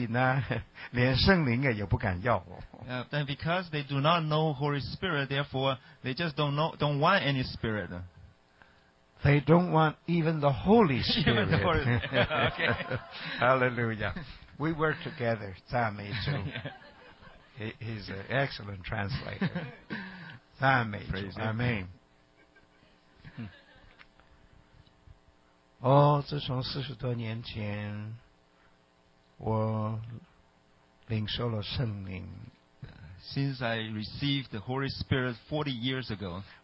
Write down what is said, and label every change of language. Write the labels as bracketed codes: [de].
[zh] 可是因为他们不认识圣灵呢，所以呢，连圣灵也不敢要。 [en] Then because they do not know Holy Spirit, therefore they just don't want any spirit. They don't want even the Holy Spirit. Even the Holy Spirit. Okay. Hallelujah. We work together. [zh] 赞美主. [en] He's an excellent translator. 赞美主.Amen. [zh] Oh, 自从40多年前，我领受了圣灵。 [en] Since I received the Holy Spirit 40 years ago,